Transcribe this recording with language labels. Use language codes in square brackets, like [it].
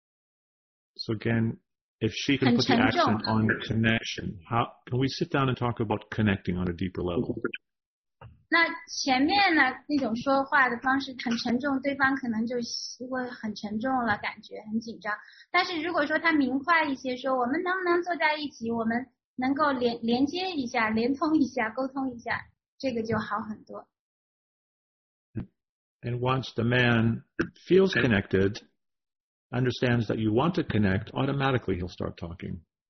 [en] So again, if she can put the accent on connection, how can we sit down and talk about connecting on a deeper level? [zh] 那前面呢那种说话的方式很沉重，对方可能就会很沉重了，感觉很紧张。但是如果说他明快一些，说我们能不能坐在一起，我们。能够连接一下，连通一下，沟通一下，这个就好很多。 [en] And once the man feels connected, understands that you want to connect, automatically he'll start talking.